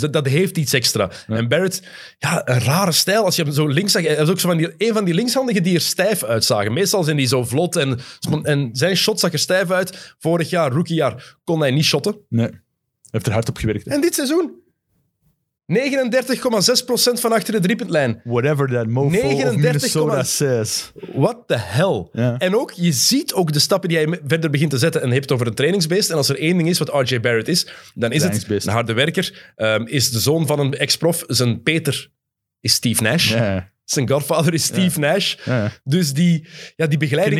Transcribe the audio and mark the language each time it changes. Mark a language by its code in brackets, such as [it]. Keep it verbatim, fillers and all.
[nl] Dat, dat heeft iets extra. Nee. En Barrett, ja, een rare stijl. Als je hem zo links zag, hij was ook zo van die, een van die linkshandigen die er stijf uitzagen. Meestal zijn die zo vlot. En, en zijn shot zag er stijf uit. Vorig jaar, rookiejaar, kon hij niet shotten. Nee. Hij heeft er hard op gewerkt. En dit seizoen? negenendertig komma zes procent van achter de driepuntlijn. [en] Whatever that mofo of Minnesota says. What the hell? Yeah. [nl] En ook, je ziet ook de stappen die hij verder begint te zetten. En je hebt het over een trainingsbeest. En als er één ding is wat R J Barrett is, dan is het een harde werker. Um, is de zoon van een ex-prof. Zijn Peter is Steve Nash. Yeah. Zijn godfather is Steve yeah. Nash. Yeah. Dus die, ja, die begeleiding...